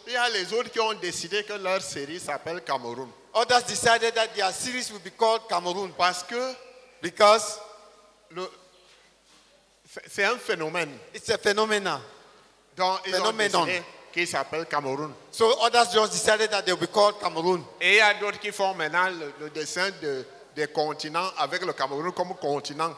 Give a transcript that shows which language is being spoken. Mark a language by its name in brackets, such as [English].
[French] Il y a les autres qui ont décidé que leur série s'appelle Cameroun. [English] Others decided that their series would be called Cameroun. [French] Parce que, [English] because [French] c'est un phénomène. [English] It's a phenomena. [French] Donc ils phenomenon ont décidé qu'il s'appelle Cameroun. [English] So others just decided that they would be called Cameroun. [French] Et il y a d'autres qui font maintenant le dessin des continents avec le Cameroun comme continent.